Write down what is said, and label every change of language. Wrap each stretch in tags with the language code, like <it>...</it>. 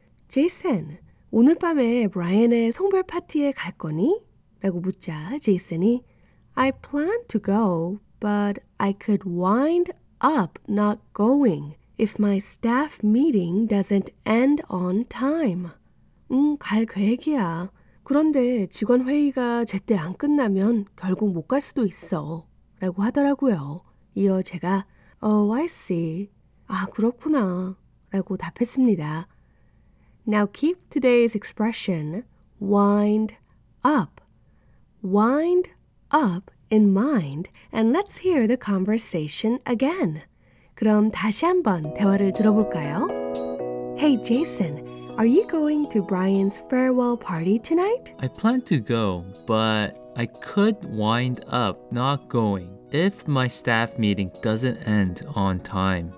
<ko>Jason, 오늘 밤에 브라이언의 송별 파티에 갈 거니? 라고 묻자 제이슨이</ko> <en>I plan to go, but I could wind up not going if my staff meeting doesn't end on time.</en> <ko>갈 계획이야. 그런데 직원 회의가 제때 안 끝나면 결국 못 갈 수도 있어. 라고 하더라고요. 이어 제가</ko> <en>Oh, I see.</en> <ko>아, 그렇구나. 라고 답했습니다.</ko> <en>Now keep today's expression, wind up. Wind up in mind and let's hear the conversation again.</en> <ko>그럼 다시 한번 대화를 들어볼까요?</ko> <en>Hey, Jason. Are you going to Brian's farewell party tonight? I plan to go, but I could wind up not going if my staff meeting doesn't end on time.</en>